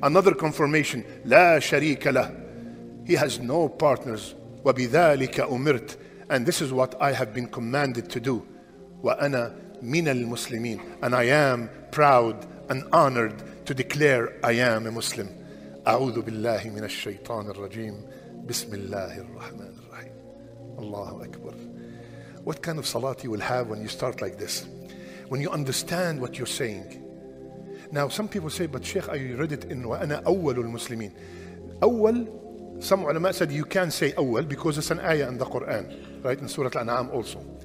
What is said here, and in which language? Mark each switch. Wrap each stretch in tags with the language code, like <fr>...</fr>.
<en>Another confirmation.</en> <ar>La sharika lah.</ar> <en>He has no partners.</en> <ar>وَبِذَٰلِكَ أُمِرْتْ.</ar> <en>And this is what I have been commanded to do.</en> <ar>وَأَنَا مِنَ الْمُسْلِمِينَ.</ar> <en>And I am proud and honored to declare I am a Muslim.</en> <ar>أعوذ بالله من الشيطان الرجيم. بسم الله الرحمن الرحيم. الله أكبر.</ar> <en>What kind of salat you will have when you start like this? When you understand what you're saying. Now some people say, but Sheikh, I read it in</en> <ar>وَأَنَا أَوَّلُ الْمُسْلِمِينَ.</ar> <en>أول, some ulama said you can say awwal because it's an ayah in the Quran, right? In Surah Al-An'am also.</en>